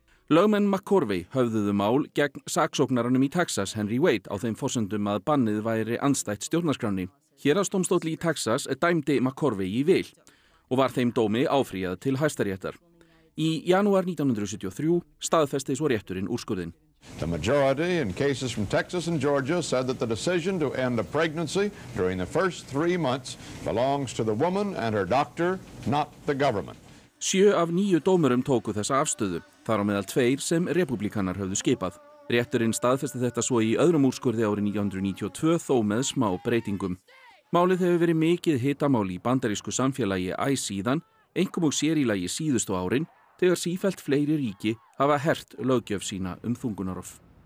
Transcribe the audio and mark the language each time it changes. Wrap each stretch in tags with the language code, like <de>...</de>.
<is>Lögmenn McCorvey höfðuðu mál gegn saksóknaranum í Texas, Henry Wade, á þeim forsendum að bannið væri andstætt stjórnarskránni. Héraðsdómstóll í Texas dæmdi McCorvey í vil og var þeim dómi áfrýjað til Hæstaréttar. Í janúar 1973 staðfesti svo rétturinn úrskurðin.</is> <en>The majority in cases from Texas and Georgia said that the decision to end a pregnancy during the first 3 months belongs to the woman and her doctor, not the government.</en> <is>7 af 9 dómurum tóku þessa afstöðu, þar á meðal 2 sem republikanar höfðu skipað. Rétturinn staðfesti þetta svo í öðrum úrskurði árið 1992 þó með smá breytingum. Málið hefur verið mikið hitamál í bandarísku samfélagi æ síðan, einkum og sér í lagi síðustu árin, þegar sífellt fleiri ríki hafa hert löggjöf sína þungunarrof.</is>